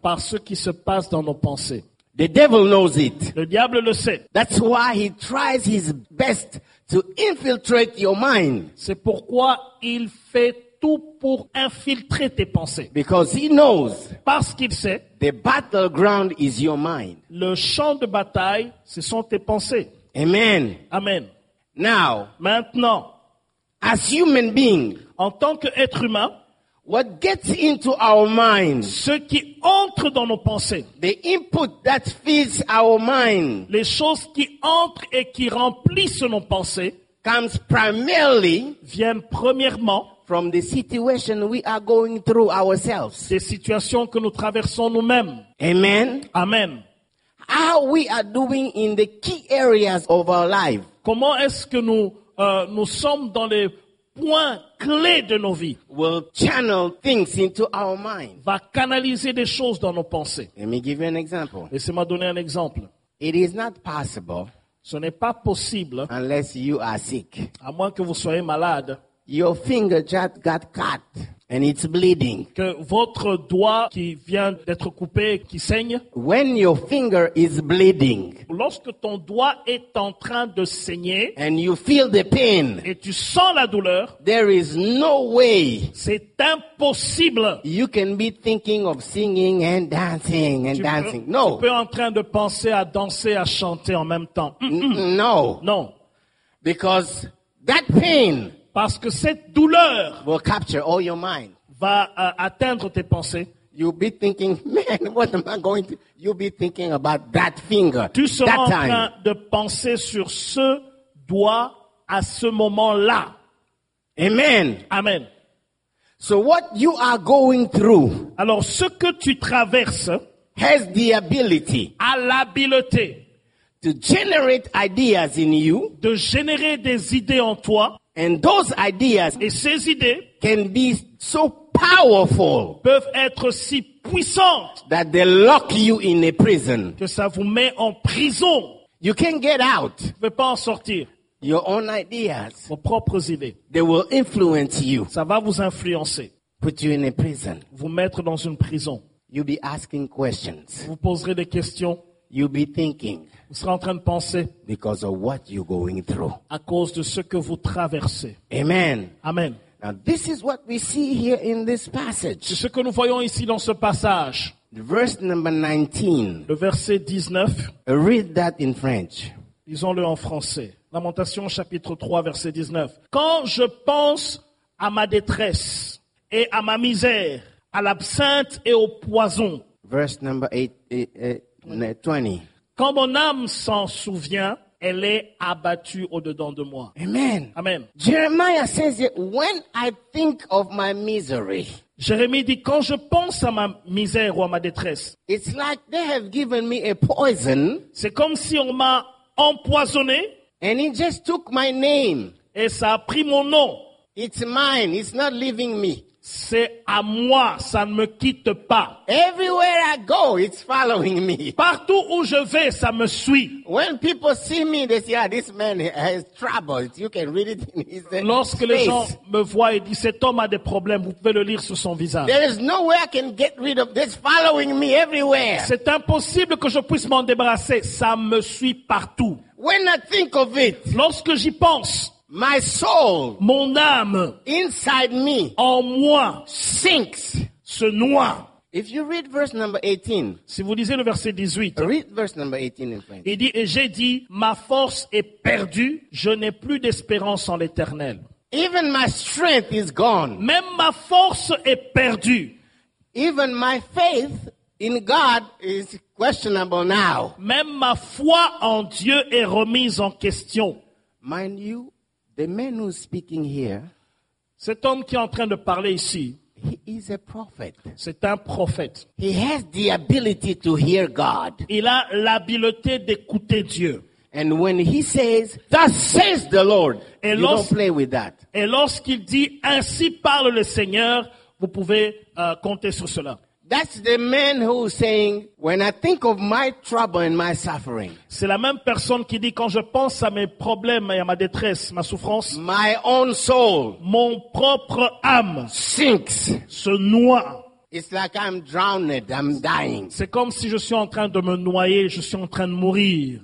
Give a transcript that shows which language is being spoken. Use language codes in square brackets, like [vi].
[fr] par ce qui se passe dans nos pensées. [en] The devil knows it. [fr] Le diable le sait. [en] That's why he tries his best to infiltrate your mind. [fr] C'est pourquoi il fait tout pour infiltrer tes pensées. [en] Because he knows. [fr] Parce qu'il sait. [en] The battleground is your mind. [fr] Le champ de bataille, ce sont tes pensées. [en] Amen. [fr] Amen. [en] Now. [fr] Maintenant. [en] As human being. [fr] En tant qu'être humain. [en] What gets into our mind, [fr] ce qui entre dans nos pensées, [en] the input that feeds our mind, [fr] les choses qui entrent et qui remplissent nos pensées, [en] comes primarily, [fr] vient premièrement, [en] from the situation we are going through ourselves, [fr] des situations que nous traversons nous-mêmes. [en] Amen. [fr] Amen. [en] How we are doing in the key areas of our life. [fr] Comment est-ce que nous sommes dans les point clé de nos vies, [en] will channel things into our mind, [fr] va canaliser des choses dans nos pensées. [en] Let me give you an example. [fr] Laissez-moi donner un exemple. [en] It is not possible, [fr] ce n'est pas possible, [en] unless you are sick, [fr] à moins que vous soyez malade, [en] your finger just got cut and it's bleeding, [fr] que votre doigt qui vient d'être coupé qui saigne, [en] when your finger is bleeding, [fr] lorsque ton doigt est en train de saigner, [en] and you feel the pain, [fr] et tu sens la douleur, [en] there is no way, [fr] c'est impossible, [en] you can be thinking of singing and dancing and [fr] tu [en] dancing [fr] peux, [en] no, [fr] tu peux en train de penser à danser à chanter en même temps. [en] No, [fr] non, [en] because that pain, [fr] parce que cette douleur [en] will capture all your mind, [fr] va atteindre tes pensées. [en] You'll be thinking, man, what am I going to? You'll be thinking about that finger. [fr] Tu seras [en] that [fr] en train [en] time. [fr] De penser sur ce doigt à ce moment-là. [en] Amen. [fr] Amen. [en] So what you are going through, [fr] alors ce que tu traverses, [en] has the ability, [fr] a l'habileté, [en] to generate ideas in you, [fr] de générer des idées en toi, [en] and those ideas, [fr] et ces idées, [en] can be so powerful, [fr] peuvent être si puissantes, [en] that they lock you in a prison, [fr] que ça vous met en prison. [en] You can't get out. [fr] Vous pouvez pas en sortir. [en] Your own ideas, [fr] vos propres idées, [en] they will influence you, [fr] ça va vous influencer, [en] put you in a prison, [fr] vous mettre dans une prison. [en] You'll be asking questions, [fr] vous poserez des questions. [en] You'll be thinking, [fr] vous serez en train de penser, [en] because of what you're going through, [fr] à cause de ce que vous traversez. [en] Amen. [fr] Amen. [en] Now this is what we see here in this passage. [fr] C'est ce que nous voyons ici dans ce passage. [en] Verse number 19. [fr] Le verset 19. [en] Read that in French. [fr] Lisons-le en français. Lamentations chapitre 3 verset 19. Quand je pense à ma détresse et à ma misère, à l'absinthe et au poison. [en] Verse number 20. [fr] Quand mon âme s'en souvient, elle est abattue au-dedans de moi. [en] Amen. [fr] Amen. [en] Jeremiah says it, when I think of my misery. [fr] Jérémie dit, quand je pense à ma misère ou à ma détresse. [en] It's like they have given me a poison. [fr] C'est comme si on m'a empoisonné. [en] And it just took my name. [fr] Et ça a pris mon nom. [en] It's mine. It's not leaving me. [fr] C'est à moi, ça ne me quitte pas. [en] Everywhere I go, it's following me. [fr] Partout où je vais, ça me suit. [en] When people see me, they say, "Ah, this man has trouble." You can read it in his face. [fr] Lorsque les gens me voient et disent, "Cet homme a des problèmes," vous pouvez le lire sur son visage. [en] There is no way I can get rid of this following me everywhere. [fr] C'est impossible que je puisse m'en débarrasser. Ça me suit partout. [en] When I think of it, [fr] lorsque j'y pense, [en] my soul, [fr] mon âme, [en] inside me, [fr] en moi, [en] sinks, [fr] se noie. [en] If you read verse number 18, [fr] si vous lisez le verset 18, [en] read verse number 18 and 20. [fr] Il dit, et j'ai dit, ma force est perdue, je n'ai plus d'espérance en l'Éternel. [en] Even my strength is gone. [fr] Même ma force est perdue. [en] Even my faith in God is questionable now. [fr] Même ma foi en Dieu est remise en question. [en] Mind you, the man who's speaking here, [fr] cet homme qui est en train de parler ici, [en] he is a prophet. [fr] C'est un prophète. [en] He has the ability to hear God. [fr] Il a l'habileté d'écouter Dieu. [en] And when he says, "Thus says the Lord," you don't play with that. [fr] Et lorsqu'il dit, "Ainsi parle le Seigneur," vous pouvez compter sur cela. [en] That's the man who is saying, "When I think of my trouble and my suffering." [fr] C'est la même personne qui dit, quand je pense à mes problèmes et à ma détresse, ma souffrance. [en] My own soul. [fr] Mon propre âme. [en] Sinks. [fr] Se noie. [en] It's like I'm drowned. I'm dying. [fr] C'est comme si je suis en train de me noyer. Je suis en train de mourir.